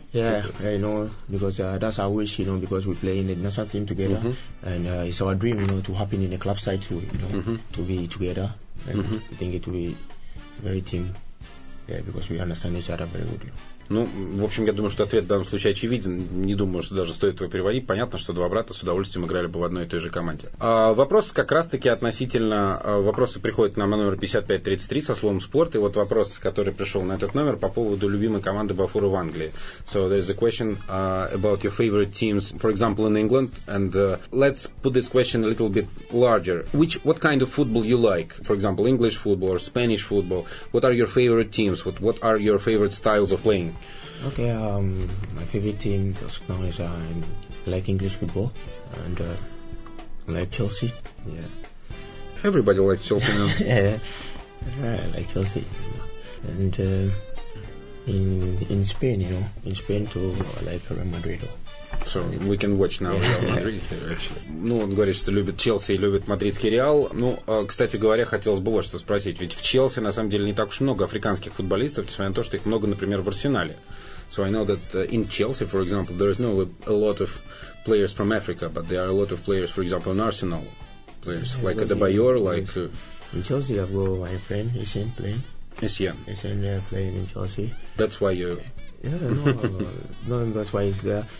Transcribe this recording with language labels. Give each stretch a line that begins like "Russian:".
English: Yeah, I know, because that's our wish, you know, because we play in the national team together, mm-hmm. and it's our dream, you know, to happen in the club side too, you know, mm-hmm. to be together. Mm-hmm. I think it will be very team, yeah, because we understand each other very well.
Russian: Ну, в общем, я думаю, что ответ в данном случае очевиден. Не думаю, что даже стоит его переводить. Понятно, что два брата с удовольствием играли бы в одной и той же команде. А вопрос как раз-таки относительно... Вопросы приходят нам на номер 5533 со словом «спорт». И вот вопрос, который пришел на этот номер по поводу любимой команды Баффура в Англии.
English: So there is a question about your favorite teams, for example, in England. And let's put this question a little bit larger. What kind of football you like? For example, English football or Spanish football? What are your favorite teams? What are your favorite styles of playing? Okay, my favorite team just now is I like English football and I like Chelsea. Yeah. Everybody likes Chelsea now. Yeah, I like Chelsea. And in Spain, you know, in Spain too, I like Real Madrid. So we can watch now Real Madrid.
Russian: Ну, он говорит, что любит Челси и любит мадридский Реал. Ну, кстати говоря, хотелось бы вот что спросить. Ведь в Челси, на самом деле, не так уж много африканских футболистов, несмотря на то, что их много, например, в Арсенале.
English: So I know that in Chelsea, for example, there is not a lot of players from Africa, but there are a lot of players, for example, in Arsenal. Players like Adebayor, like... In Chelsea, I've got my friend, Essien, playing. Essien. Essien playing in Chelsea. That's why you... Yeah, no, that's why he's there.